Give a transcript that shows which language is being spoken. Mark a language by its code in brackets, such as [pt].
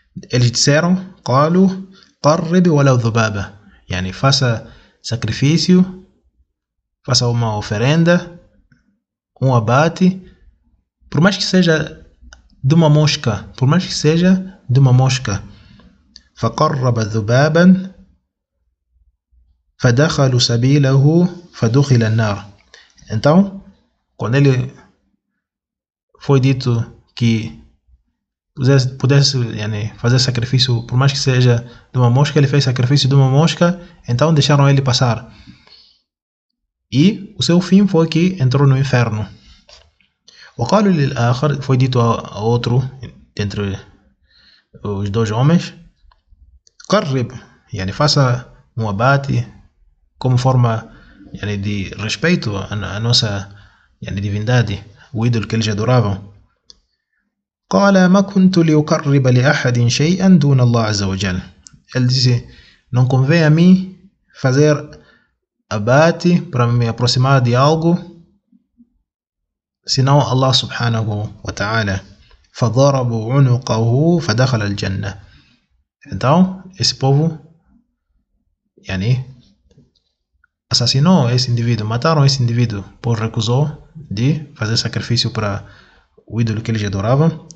[pt] Eles disseram, [ar] قالوا قرب ولو ذبابة, [pt] yani faça sacrifício, faça uma oferenda, um abate, por mais que seja de uma mosca, por mais que seja de uma mosca. [ar] فقرب ذبابا فدخل سبيله فدخل النار. [pt] Então, quando ele foi dito que pudesse yani, fazer sacrifício, por mais que seja de uma mosca, ele fez sacrifício de uma mosca, então deixaram ele passar. E o seu fim foi que entrou no inferno. [ar] وقالوا للآخر, [pt] foi dito a outro, dentre os dois homens, قرب, yani, faça um abate, como forma yani, de respeito à nossa yani, divindade. O ídolo que eles adoravam. [ar] قال ما كنت لأقرب لأحد شيئا دون الله عز وجل. [pt] Ele disse, não convém a mim fazer abate para me aproximar de algo senão Allah subhanahu wa ta'ala. [ar] فضربوا عنقه فدخل الجنة. [pt] Então, esse povo yani, assassinou esse indivíduo, mataram esse indivíduo por recusou de fazer sacrifício para o ídolo que eles adoravam.